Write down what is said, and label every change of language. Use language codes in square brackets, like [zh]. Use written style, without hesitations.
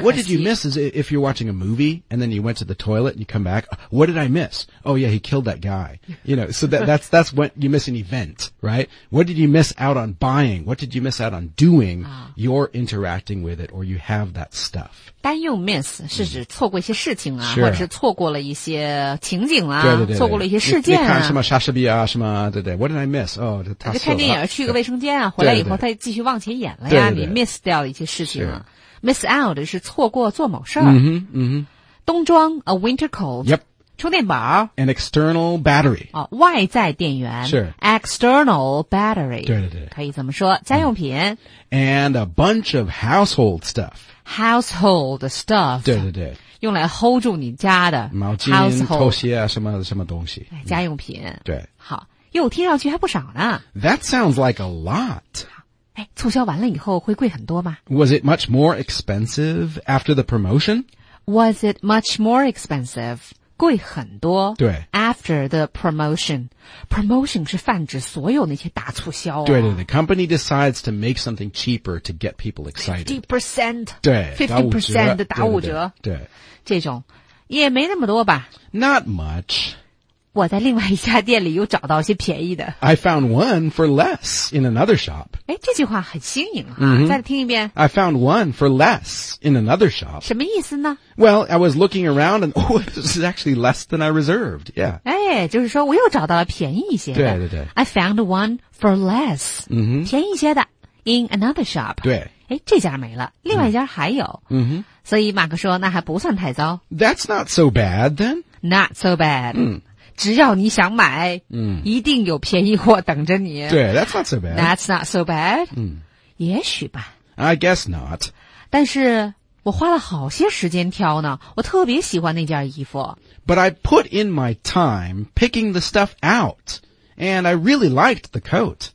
[en] What did you miss is if you're watching a movie and then you went to the toilet and you come back, what did I miss? Oh yeah, he killed that guy. You know, so that's when you miss an event, right? What did you miss out on buying? What did you miss out on doing? You're interacting with it or you have that stuff. [zh] 单用 miss 是指错过一些事情啊、 [en] sure. [zh] 或者是错过了一些情景啊对对对对错过了一些事件啊。你看什么莎士比亚什么对对。 [en] What did I miss? Oh, [zh] 他去看电影，去个卫生间啊，回来以后再继续往前演了呀。对对对你 miss 掉了一些事情啊 ，miss out 是错过做某事儿。嗯哼，冬装 [en] a winter coat。 Yep。 [zh] 充电宝 [en] an external battery。 [zh] 哦，外在电源是 [en] external battery。 [zh] 对对对，可以这么说，家用品。 [en] And a bunch of household stuff。 Household stuff。 [zh] 对对对。用来 hold 住你家的毛巾、拖鞋啊，什么东西？家用品。对。好。又听上去还不少呢。 [en] That sounds like a lot. [zh] 哎，促销完了以后会贵很多吗 [en] ？Was it much more expensive after the promotion? Was it much more expensive? [zh] 贵很多。对。 After the promotion, promotion 是泛指所有那些大促销、啊。 [en] 对对 ，the company decides to make something cheaper to get people excited. 50%， [zh] 对，50% 的打五折。对， 对， 对， 对，这种也没那么多吧 [en] ？Not much. [zh] 我在另外一家店里又找到一些便宜的。 [en] I found one for less in another shop. [zh] 诶，这句话很新颖哈、 mm-hmm. 再听一遍。 [en] I found one for less in another shop. [zh] 什么意思呢 [en] ?Well, I was looking around and, oh, this is actually less than I reserved, yeah. [zh] 诶，就是说我又找到了便宜一些的。对对对。 [en] I found one for less,、 mm-hmm. [zh] 便宜一些的 [en] in another shop. [zh] 对。诶，这家没了另外一家还有。 Mm-hmm. 所以马克说那还不算太糟。 [en] That's not so bad then. Not so bad.、 Mm. [zh] 只要你想买，嗯，一定有便宜货等着你。 [en] 对 ，That's not so bad. That's not so bad. 嗯， [zh] 也许吧。 [en] I guess not. [zh] 但是我花了好些时间挑呢，我特别喜欢那件衣服。 [en] But I put in my time picking the stuff out, and I really liked the coat.